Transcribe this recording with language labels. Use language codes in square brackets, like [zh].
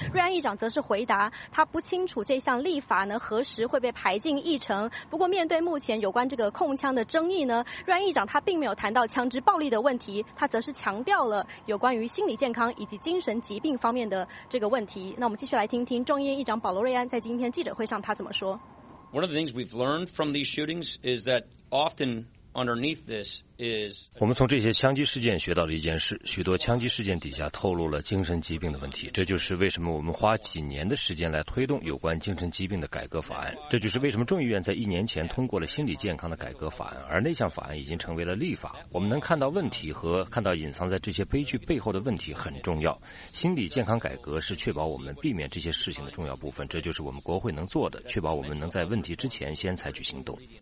[zh] 瑞安议长则是回答他不清楚这项立法呢何时会被排进议程。不过面对目前有关这个控枪的争议呢，瑞安议长他并没有谈到枪支暴力的问题，他则是强调了有关于心理健康以及精神疾病方面的这个问题。那我们继续来听听众议院议长保罗瑞安在今天记者会上他怎么说。 [en] One of the things we've learned from these shootings is that often underneath this is [zh] 我们从这些枪击事件学到了一件事，许多枪击事件底下透露了精神疾病的问题。这就是为什么我们花几年的时间来推动有关精神疾病的改革法案，这就是为什么众议院在一年前通过了心理健康的改革法案，而那项法案已经成为了立法。我们能看到问题和看到隐藏在这些悲剧背后的问题很重要，心理健康改革是确保我们避免这些事情的重要部分，这就是我们国会能做的，确保我们能在问题之前先采取行动。